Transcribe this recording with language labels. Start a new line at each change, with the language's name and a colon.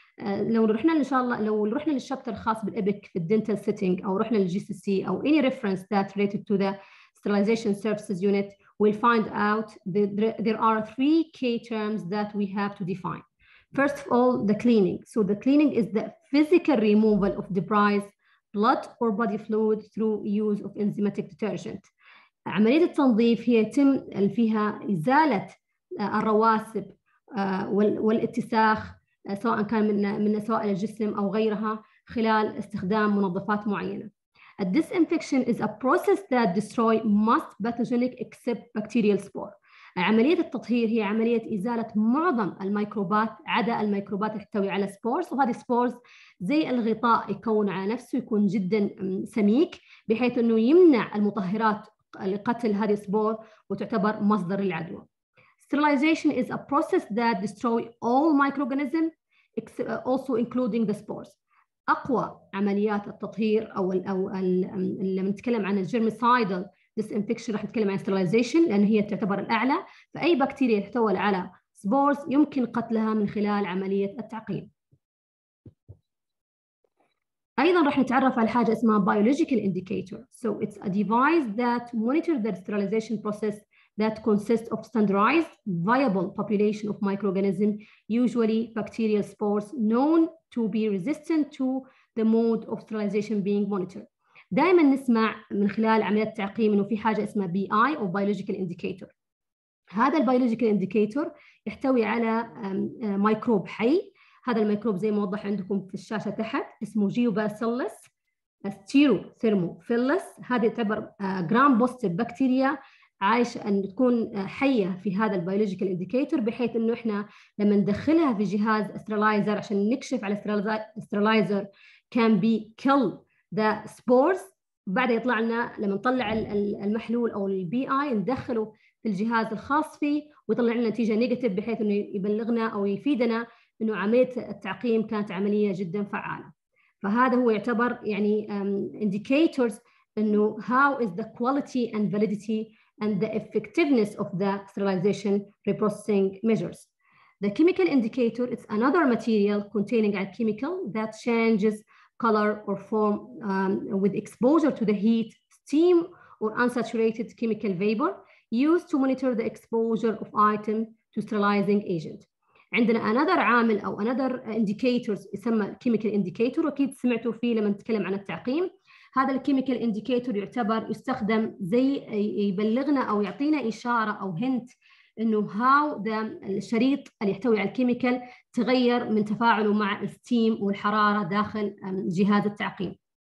Arabic: لو رحنا ان شاء الله لو رحنا للشابتر الخاص بالابك
English: في الدنتال سيتنج او رحنا للجي سي سي او any reference that related to the sterilization services unit we'll find out that there are 3 key terms that we have to define. First of all, the cleaning. So the cleaning is the physical removal of debris, blood or body fluid through use of enzymatic detergent.
Arabic: عملية التنظيف هي يتم فيها إزالة الرواسب والاتساخ سواء كان من سوائل الجسم أو غيرها خلال استخدام منظفات معينة.
English: A disinfection is a process that destroys most pathogenic except bacterial spore.
Arabic: عملية التطهير هي عملية إزالة معظم الميكروبات عدا الميكروبات اللي تحتوي على spores، وهذه spores زي الغطاء يكون على نفسه يكون جدا سميك بحيث أنه يمنع المطهرات لقتل هذه السبور وتعتبر مصدر العدوى.
English: Sterilization is a process that destroys all microorganisms, also including the spores.
Arabic: أقوى عمليات التطهير أو لما نتكلم عن germicidal disinfection راح نتكلم عن sterilization لأن هي تعتبر الأعلى، فأي بكتيريا تحتوي على spores يمكن قتلها من خلال عملية التعقيم. أيضا راح نتعرف على حاجة اسمها biological indicator.
English: So it's a device that monitors the sterilization process that consists of standardized viable population of microorganisms, usually bacterial spores, known to be resistant to the mode of sterilization being monitored.
Arabic: دائما نسمع من خلال عمليات التعقيم انه في حاجه اسمها BI او biological indicator. هذا البيولوجيكال indicator يحتوي على ميكروب حي، هذا الميكروب زي ما وضح عندكم في الشاشه تحت اسمه جيوباسيلس ستيرو ثيرموفيلس، هذه تعتبر جرام بوزيتيف بكتيريا عايش ان تكون حيه في هذا البيولوجيكال انديكيتور، بحيث انه احنا لما ندخلها في جهاز استرلايزر عشان نكشف على استرلايزر كان بي كل ذا سبورز، بعد يطلع لنا لما نطلع المحلول او البي اي ندخله في الجهاز الخاص فيه ويطلع لنا نتيجه نيجاتيف، بحيث انه يبلغنا او يفيدنا انه عمليه التعقيم كانت عمليه جدا فعاله. فهذا هو يعتبر يعني
English: Indicators انه how is the quality and validity and the effectiveness of the sterilization reprocessing measures. The chemical indicator is another material containing a chemical that changes color or form with exposure to the heat, steam, or unsaturated chemical vapor used to monitor the exposure of item to sterilizing agent.
Arabic: عندنا another عامل أو another indicators يسمى chemical indicator وأكيد سمعتوا فيه لما نتكلم عن التعقيم. هذا الكيميكال انديكيتور يعتبر يستخدم زي يبلغنا أو يعطينا إشارة أو hint إنه how the الشريط اللي يحتوي على الكيميكال تغير من تفاعله مع الستيم والحرارة داخل جهاز التعقيم،